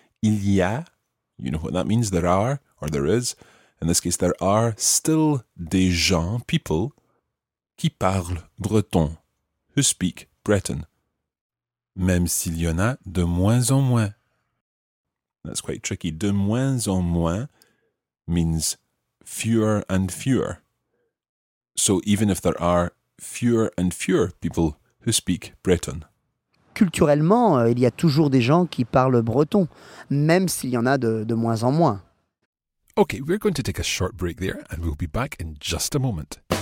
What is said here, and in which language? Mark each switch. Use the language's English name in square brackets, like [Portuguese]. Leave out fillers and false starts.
[English] Il y a, you know what that means, there are, or there is. In this case, there are still des gens, people, [French] qui parlent breton, [English] who speak Breton. [French] Même s'il y en a de moins en moins. [English] That's quite tricky. [French] De moins en moins [English] means fewer and fewer. So even if there are fewer and fewer people who speak Breton. [French] Culturellement, il y a toujours des gens qui parlent breton, même s'il y en a de moins en moins. [English] Okay, we're going to take a short break there and we'll be back in just a moment.